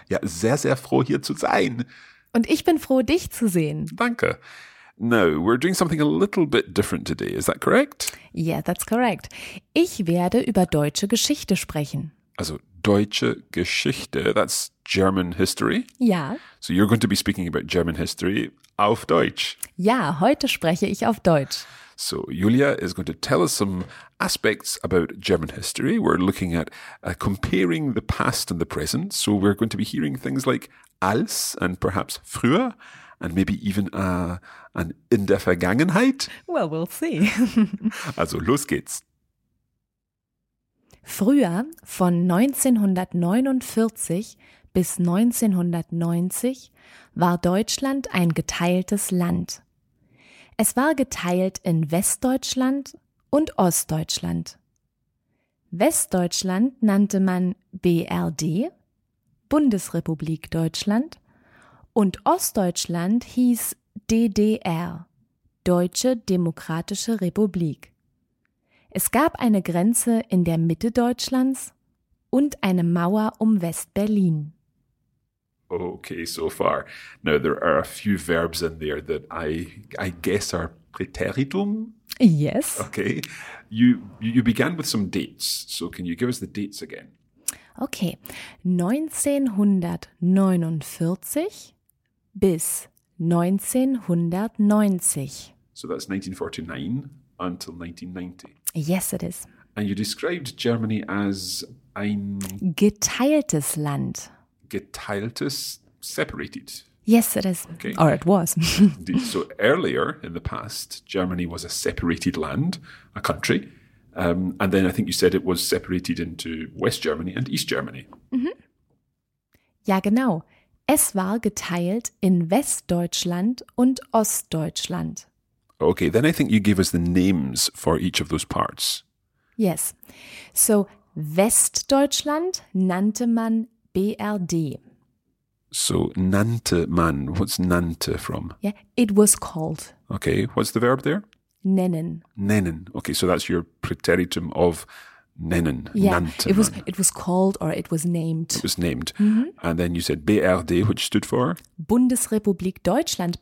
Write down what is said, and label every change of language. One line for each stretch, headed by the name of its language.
German: Ja, sehr, sehr froh, hier zu sein. Und ich bin froh, dich zu sehen. Danke.
English: Now, we're doing something a little bit different today, is that correct? Yeah, that's correct.
German: Ich werde über deutsche Geschichte sprechen.
English: Also,
German: deutsche Geschichte,
English: that's German history?
German: Ja.
English: So you're going to be speaking about German history
German: auf Deutsch? Ja, heute spreche ich auf Deutsch.
English: So Julia is going to tell us some aspects about German history. We're looking at comparing the past and the present. So we're going to be hearing things like als and perhaps früher. And maybe even an
German: in der Vergangenheit?
English: Well, we'll see.
German: Also, los geht's. Früher, von 1949 bis 1990, war Deutschland ein geteiltes Land. Es war geteilt in Westdeutschland und Ostdeutschland. Westdeutschland nannte man BRD, Bundesrepublik Deutschland, und Ostdeutschland hieß DDR, Deutsche Demokratische Republik. Es gab eine Grenze in der Mitte Deutschlands und eine Mauer um West-Berlin.
English: Okay, so far. Now, there are a few verbs in there that I guess are Präteritum. Yes. Okay. You began with some dates. So can you give us the dates again?
German: Okay. 1949 bis 1990.
English: So that's 1949 until 1990. Yes, it is. And you described Germany as ein...
German: geteiltes Land.
English: Geteiltes, separated. Yes, it is. Okay. Or it was. Indeed. So earlier in the past, Germany was a separated land, a country. And then I think you said it was separated into West Germany and East Germany.
German: Mm-hmm. Ja, genau. Es war geteilt in Westdeutschland und Ostdeutschland.
English: Okay, then I think you gave us the names for each of those parts. Yes.
German: So, Westdeutschland nannte man BRD.
English: So,
German: nannte man.
English: What's nannte from? Yeah, it was called. Okay, what's the verb there?
German: Nennen. Nennen.
English: Okay, so that's your preteritum of...
German: nennen,
English: yeah,
German: nannte man.
English: It was called or it was named. It was named. Mm-hmm. And then you said BRD, which stood for?
German: Bundesrepublik Deutschland.